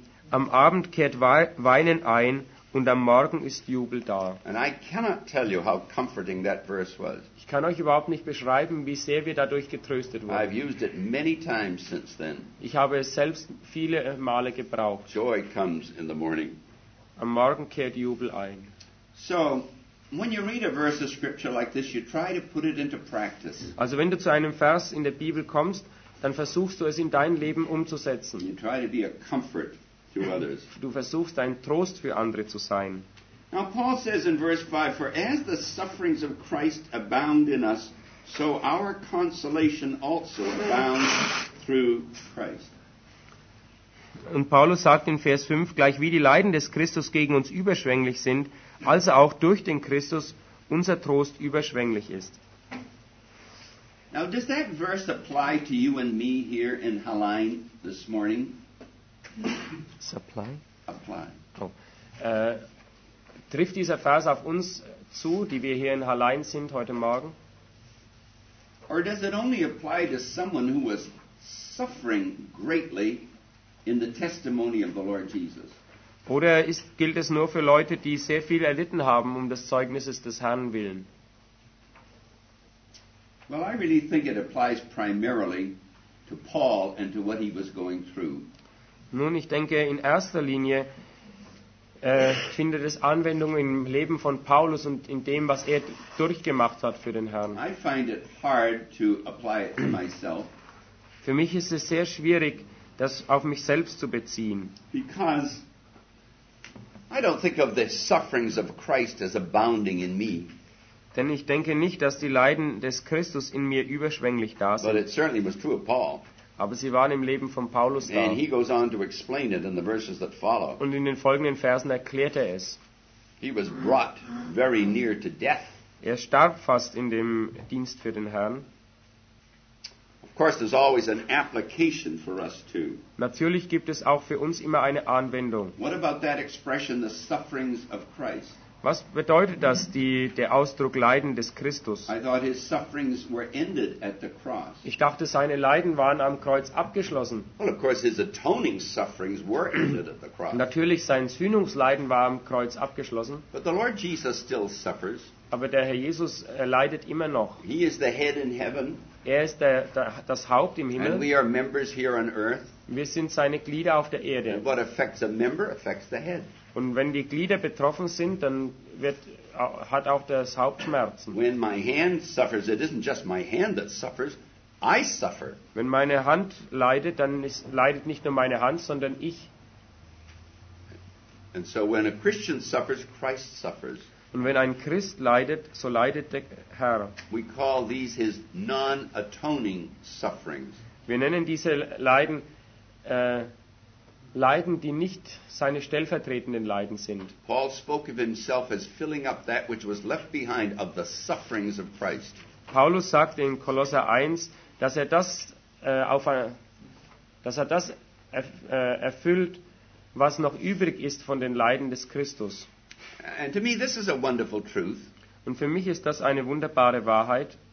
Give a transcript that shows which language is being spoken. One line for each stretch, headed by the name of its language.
German: Am Abend kehrt Weinen ein und am Morgen ist Jubel da.
English: And I cannot tell you how comforting that verse was.
German: Ich kann euch überhaupt nicht beschreiben, wie sehr wir dadurch getröstet wurden.
English: I've used it many times since then.
German: Ich habe es selbst viele Male gebraucht.
English: Joy comes in the morning.
German: Am Morgen kehrt Jubel ein.
English: So, when you read a verse of scripture like this, you try to put it into practice.
German: Also wenn du zu einem Vers in der Bibel kommst, dann versuchst du es in dein Leben umzusetzen.
English: You try to be a comfort to others.
German: Du versuchst ein Trost für andere zu sein.
English: Now Paul says in verse 5, for as the sufferings of Christ abound in us, so our consolation also abounds through Christ.
German: Und Paulus sagt in Vers 5, gleich wie die Leiden des Christus gegen uns überschwänglich sind, also auch durch den Christus unser Trost überschwänglich ist.
English: Now, does that verse apply to you and me here in Hallein this morning? Supply? Apply. Oh.
German: Trifft dieser Vers auf uns zu, die wir hier in Hallein sind heute Morgen?
English: Or does it only apply to someone who was suffering greatly in the testimony of the Lord Jesus?
German: Oder gilt es nur für Leute, die sehr viel erlitten haben, um des Zeugnisses des Herrn willen?
English: Well, I really think it applies primarily to Paul and to what he was going through.
German: Nun, ich denke, in erster Linie findet es Anwendung im Leben von Paulus und in dem, was er durchgemacht hat für den Herrn.
English: I find it hard to apply it to myself.
German: Für mich ist es sehr schwierig, das auf mich selbst zu beziehen.
English: Because I don't think of the sufferings of Christ as abounding in me.
German: Denn ich denke nicht, dass die Leiden des Christus in mir überschwänglich da sind.
English: But it certainly was true of Paul.
German: Aber sie waren im Leben von Paulus da.
English: And he goes on to explain it in the verses that follow.
German: Und in den folgenden Versen erklärt er es.
English: He was brought very near to death.
German: Er starb fast in dem Dienst für den Herrn.
English: Of course, there's always an application for us too.
German: Natürlich gibt es auch für uns immer eine Anwendung.
English: What about that expression, the sufferings of Christ?
German: Was bedeutet das, der Ausdruck Leiden des Christus?
English: I thought his sufferings were ended at the cross.
German: Ich dachte, seine Leiden waren am Kreuz abgeschlossen.
English: Well, of course, his atoning sufferings were ended at the cross.
German: Natürlich, sein Sühnungsleiden war am Kreuz abgeschlossen.
English: But the Lord Jesus still suffers.
German: Aber der Herr Jesus leidet immer noch.
English: He is the head in heaven.
German: Er ist das Haupt im Himmel.
English: And we are members here on earth.
German: Wir sind seine Glieder auf der Erde.
English: And what affects a member affects the head.
German: Und wenn die Glieder betroffen sind, dann hat auch das Haupt Schmerzen.
English: When my hand suffers, it isn't just my hand that suffers, I suffer.
German: Wenn meine Hand leidet, dann leidet nicht nur meine Hand, sondern ich.
English: And so when a Christian suffers, Christ suffers.
German: Und wenn ein Christ leidet, so leidet der Herr.
English: We call these his non-atoning sufferings.
German: Wir nennen diese Leiden Leiden, die nicht seine stellvertretenden Leiden sind.
English: Paul spoke of himself as filling up that which was left behind of the sufferings of Christ.
German: Paulus sagte in Kolosser 1, dass er das erfüllt, was noch übrig ist von den Leiden des Christus.
English: And to me this is a wonderful truth.
German: Und für mich ist das eine wunderbare Wahrheit.